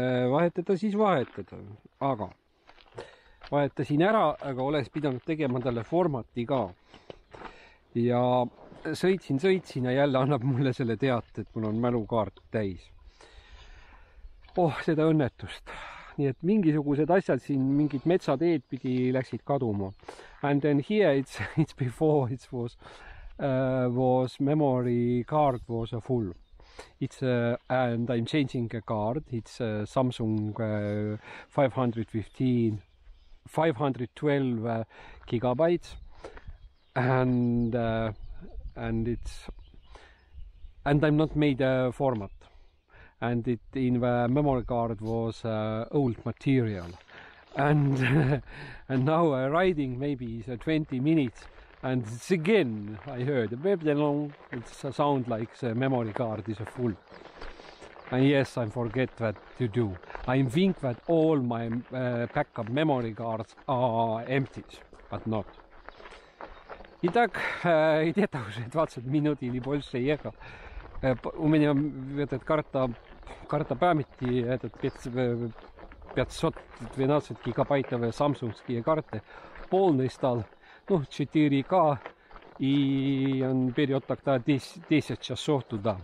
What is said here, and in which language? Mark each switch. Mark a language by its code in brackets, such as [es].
[et] Vahetada siis vahetada, aga vahetasin ära, aga oles pidanud tegema talle formati ka ja sõitsin ja jälle annab mulle selle teate, et mul on mälukaart täis. Oh, seda õnnetust. Nii et mingisugused asjad siin, mingid metsateed pidi läksid kaduma. [en] And then here it's before it was memory card was a full. It's and I'm changing a card. It's a Samsung 512 gigabytes, and it's and I'm not made a format, and it in the memory card was old material, and now riding maybe is 20 minutes. And it's again, I heard, it's a sound like the memory card is a full. And yes, I forget what to do. I think that all my backup memory cards are empty, but not. [ru] И так, и где-то уже 20 минут или больше ехал. У меня этот карта памяти, этот 512 гигабайтовая самсунгские карты, полный стал. Ну, 4К и он период тогда 10 часов туда.